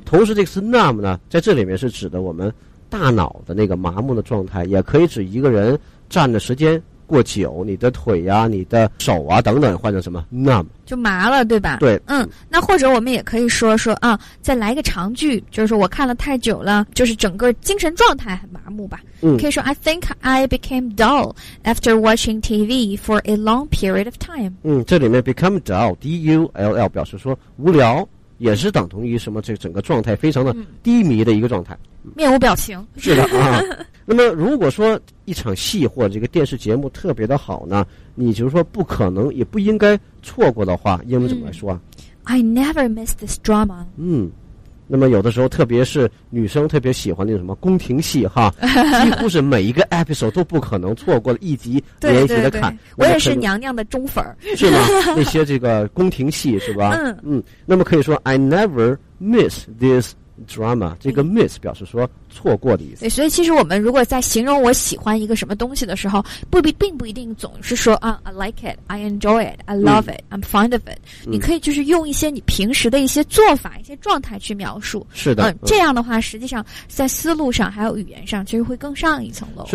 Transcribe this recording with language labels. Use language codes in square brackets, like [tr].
[zh] 同时这个词 numb 呢在这里面是指的我们大脑的那个麻木的状态，也可以指一个人站的时间过久，你的腿呀、你的手啊等等换成什么 numb 就麻了，对吧？对。那或者我们也可以说啊，再来一个长句，就是说我看了太久了，就是整个精神状态很麻木吧。嗯，可以说 [en] I think I became dull after watching TV for a long period of time。 [zh] 这里面 become dull D-U-L-L 表示说无聊，也是等同于什么这整个状态非常的低迷的一个状态，面无表情。是的啊。那么如果说一场戏或者这个电视节目特别的好呢，你就是说不可能也不应该错过的话，英文怎么来说啊？ [en] I never miss this drama。 [zh] 那么有的时候特别是女生特别喜欢那种什么宫廷戏哈，几乎是每一个 episode 都不可能错过的，一集连一集的看。对对对，我也是娘娘的忠粉。是吗？那些这个宫廷戏是吧？那么可以说 [en] I never miss this drama。 [zh] 这个 miss 表示说错过的意思。对，所以其实我们如果在形容我喜欢一个什么东西的时候，并不一定总是说啊 [en] I like it, I enjoy it, I love it, I'm fond of it。 [zh] 你可以就是用一些你平时的一些做法、一些状态去描述。是的。这样的话实际上在思路上还有语言上其实会更上一层楼。